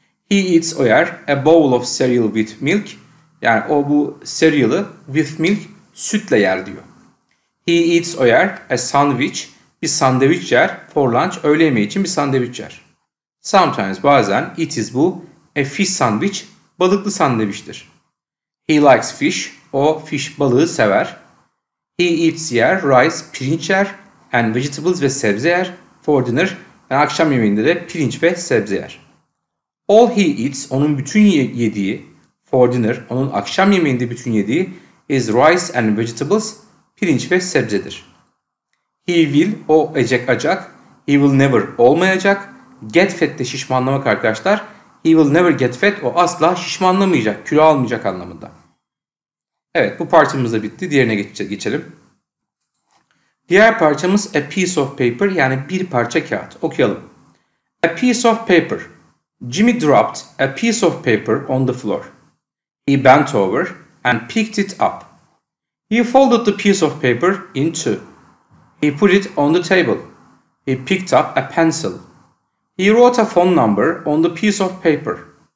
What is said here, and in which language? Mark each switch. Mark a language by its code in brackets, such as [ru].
[en] He eats, [tr] o yer, [en] a bowl of cereal with milk. [tr] Yani o bu cereal'ı [en] with milk, [tr] sütle yer diyor. [en] He eats, [tr] o yer, [en] a sandwich, [tr] bir sandviç yer. [en] For lunch, [tr] öğle yemeği için bir sandviç yer. [en] Sometimes, [tr] bazen, [en] it is bu a fish sandwich, [tr] balıklı sandviçtir. [en] He likes fish, o fish, [tr] balığı sever. [en] He eats, yer, rice, [tr] pirinç yer, [en] and vegetables [tr] ve sebze yer. [en] For dinner, [tr] yani akşam yemeğinde de pirinç ve sebze yer. [en] All he eats, [tr] onun bütün yediği, [en] for dinner, [tr] onun akşam yemeğinde bütün yediği, [en] is rice and vegetables, [tr] pirinç ve sebzedir. [en] He will, o ecek acak. He will never, [tr] olmayacak. [en] Get fat [tr] de şişmanlamak arkadaşlar. [en] He will never get fat, [tr] o asla şişmanlamayacak, kilo almayacak anlamında. Evet, bu parçamız da bitti. Diğerine geçelim. Diğer parçamız [en] a piece of paper, [tr] yani bir parça kağıt. Okuyalım. [en] A piece of paper. Jimmy dropped a piece of paper on the floor. He bent over and picked it up. He folded the piece of paper in two. He put it on the table. He picked up a pencil. He wrote a phone number on the piece of paper.